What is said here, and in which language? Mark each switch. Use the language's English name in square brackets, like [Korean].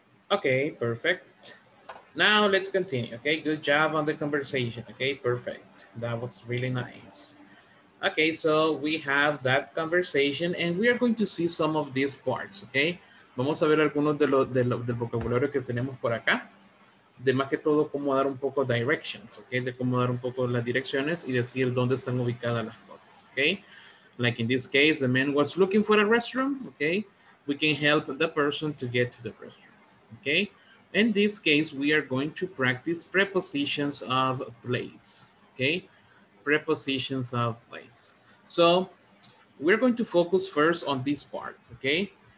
[English] Okay, perfect. Now let's continue. Okay, good job on the conversation. Okay, perfect. That was really nice. Okay, so we have that conversation and we are going to see some of these parts. [Spanish] Okay, vamos a ver algunos de del vocabulario que tenemos por acá. De más que todo, cómo dar un poco directions, ¿ok? De cómo dar un poco las direcciones y decir dónde están ubicadas las cosas, ¿ok? [English] Like in this case, the man was looking for a restroom, ¿ok? We can help the person to get to the restroom, ¿ok? In this case, we are going to practice prepositions of place, ¿ok? Prepositions of place. So, we're going to focus first on this part, ¿ok?